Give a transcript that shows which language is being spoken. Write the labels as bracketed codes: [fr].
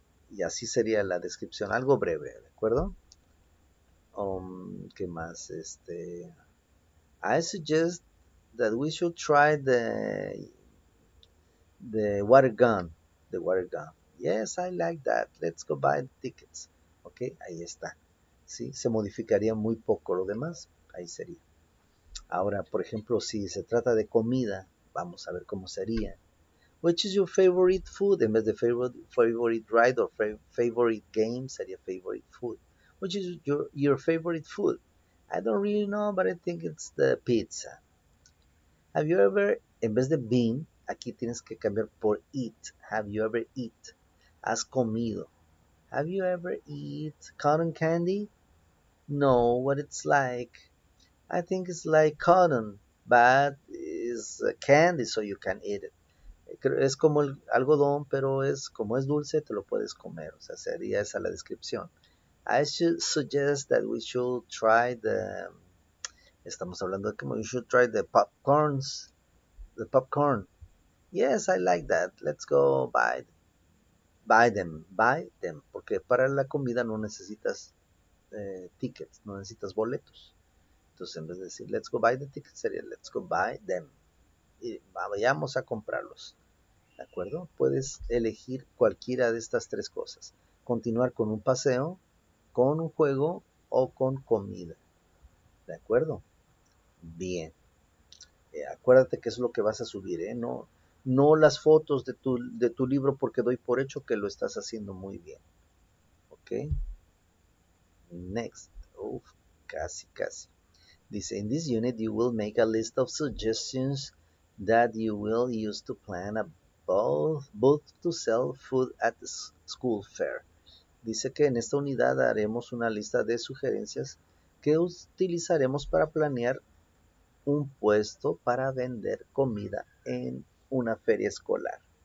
[es] Y así sería la descripción, algo breve, ¿de acuerdo? ¿Qué más? [en] I suggest that we should try the water gun, Yes, I like that. Let's go buy the tickets. [es] Ok, ahí está. ¿Sí? Se modificaría muy poco lo demás. Ahí sería. Ahora, por ejemplo, si se trata de comida, vamos a ver cómo sería. [en] Which is your favorite food? [es] En vez de [en] favorite ride or favorite game, [es] sería [en] favorite food. Which is your favorite food? I don't really know, but I think it's the pizza. Have you ever, [es] en vez de been, aquí tienes que cambiar por eat. [en] Have you ever eat? [es] Has comido. [en] Have you ever eat cotton candy? No, what it's like? I think it's like cotton, but it's candy, so you can eat it. [es] Es como el algodón, pero es como es dulce, te lo puedes comer. O sea, sería esa la descripción. [en] I should suggest that we should try the... [es] Estamos hablando de como [en] you should try the popcorns. The popcorn. Yes, I like that. Let's go buy them. [es] Porque para la comida no necesitas tickets, no necesitas boletos. Entonces, en vez de decir [en] let's go buy the tickets, [es] sería [en] let's go buy them. [es] Y vayamos a comprarlos. ¿De acuerdo? Puedes elegir cualquiera de estas tres cosas. Continuar con un paseo, con un juego o con comida. ¿De acuerdo? Bien. Acuérdate que es lo que vas a subir, ¿eh? No las fotos de tu libro, porque doy por hecho que lo estás haciendo muy bien. ¿Ok? [en] Next. [es] Uf, casi. Dice, [en] in this unit you will make a list of suggestions that you will use to plan a booth to sell food at the school fair. [es] Dice que en esta unidad haremos una lista de sugerencias que utilizaremos para planear un puesto para vender comida en una feria escolar.